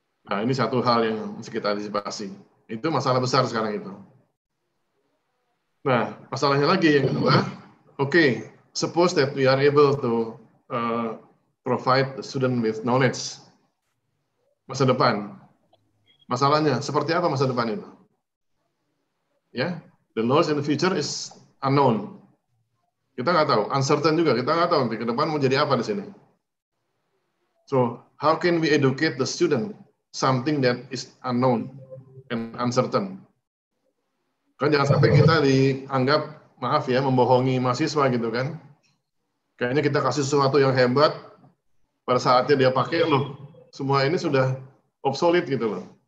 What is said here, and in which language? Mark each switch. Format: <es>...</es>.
<id>Nah, ini satu hal yang mesti kita antisipasi. Itu masalah besar sekarang itu. Nah, masalahnya lagi yang kedua,</id> <en>okay, suppose that we are able to provide the student with knowledge</en> <id>masa depan. Masalahnya, seperti apa masa depan itu?</id> <en>Yeah, the knowledge in the future is unknown.</en> <id>Kita nggak tahu, uncertain juga, kita nggak tahu nanti ke depan mau jadi apa di sini.</id> <en>So, how can we educate the student something that is unknown and uncertain?</en> <id>Kan jangan sampai kita dianggap, maaf ya, membohongi mahasiswa gitu kan. Kayaknya kita kasih sesuatu yang hebat, pada saatnya dia pakai, loh, semua ini sudah obsolete gitu loh.</id>